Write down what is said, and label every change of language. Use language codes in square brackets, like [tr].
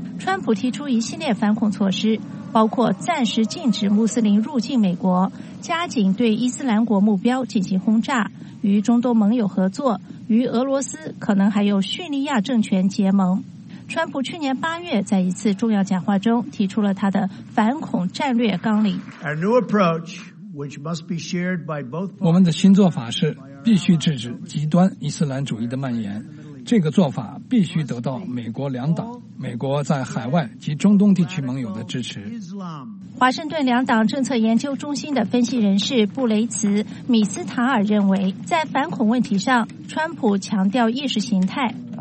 [zh] 川普提出一系列反恐措施，包括暂时禁止穆斯林入境美国，加紧对伊斯兰国目标进行轰炸，与中东盟友合作，与俄罗斯可能还有叙利亚政权结盟。川普去年八月在一次重要讲话中提出了他的反恐战略纲领。 [en] Our new approach, which must be shared by both... [zh] 我们的新做法是必须制止极端伊斯兰主义的蔓延，这个做法必须得到美国两党、美国在海外及中东地区盟友的支持。华盛顿两党政策研究中心的分析人士布雷茨·米斯塔尔认为，在反恐问题上，川普强调意识形态。